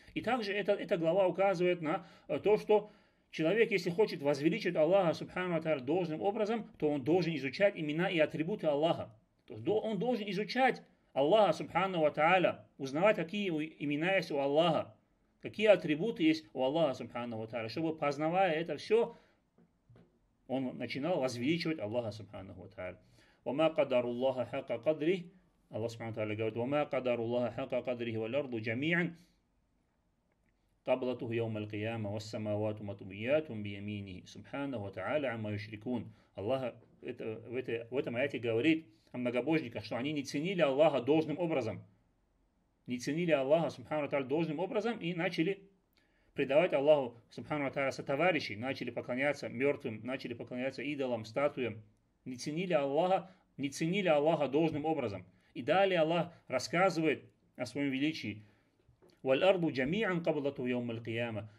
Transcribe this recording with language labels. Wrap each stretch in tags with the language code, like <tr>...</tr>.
<ru>И также эта глава указывает на то, что человек, если хочет возвеличить Аллаха, субхану ва тааля, должным образом, то он должен изучать имена и атрибуты Аллаха. То есть он должен изучать Аллаха, субхану ва тааля, узнавать, какие имена есть у Аллаха, какие атрибуты есть у Аллаха, субхану ва тааля, чтобы, познавая это все, он начинал возвеличивать Аллаха субханаху ва тааля.</ru> <ar>وَمَا قَدَرُ اللَّهَ حَقَّ قَدْرِهِ</ar> <ru>Аллах субханаху ва тааля говорит:</ru> <ar>وَمَا قَدَرُ اللَّهَ حَقَّ قَدْرِهِ وَالْأَرْضُ جَمِيعًا قَبْلَتُهُ يَوْمَ الْقِيَامَةِ وَالسَّمَاوَاتُ مَطْوِيَّاتٌ بِيَمِينِهِ سُبْحَانَهُ وَتَعَالَى عَمَّا يُشْرِكُونَ</ar> <ru>Аллах в этом аяте говорит о многобожниках, что они не ценили Аллаха должным образом. Не ценили Аллаха субханаху ва тааля должным образом и начали предавать Аллаху, субхану ва тааля, сотоварищей, начали поклоняться мертвым, начали поклоняться идолам, статуям, не ценили Аллаха должным образом. И далее Аллах рассказывает о своем величии. «Валь-арду джами'ан каблату йаума аль-кияма».</ru>